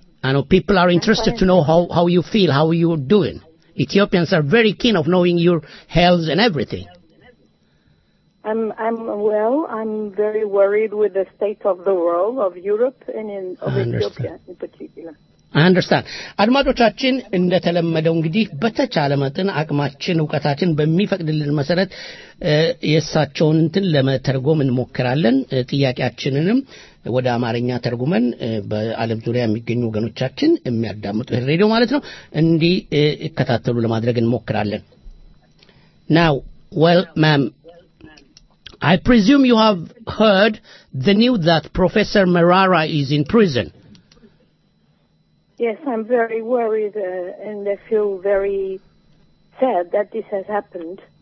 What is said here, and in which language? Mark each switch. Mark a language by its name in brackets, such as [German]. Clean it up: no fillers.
[English] And people are interested to know how you feel, how you're doing. Ethiopians are very keen of knowing your health and everything. I'm well. I'm very worried with the state of the world, of Europe, and of Ethiopia in particular. [Amharic] አድማጮቻችን እንደተለመደው እንግዲህ በተቻለ መጠን አቅማችን እውቀታችን በሚፈቅድልን መሰረት የሳቸውን እንትን ለመተርጎም እንሞክራለን ጥያቄያችንንም ወደ አማርኛ ተርጉመን በአለም ዙሪያ የሚገኙ ወገኖቻችን የሚያዳምጡ ሬዲዮ ማለት ነው እንዲህ እከታተሉ ለማድረግ እንሞክራለን [English] Now well ma'am I presume you have heard the news that Professor Merara is in prison Yes, I'm very worried and I feel very sad that this has happened.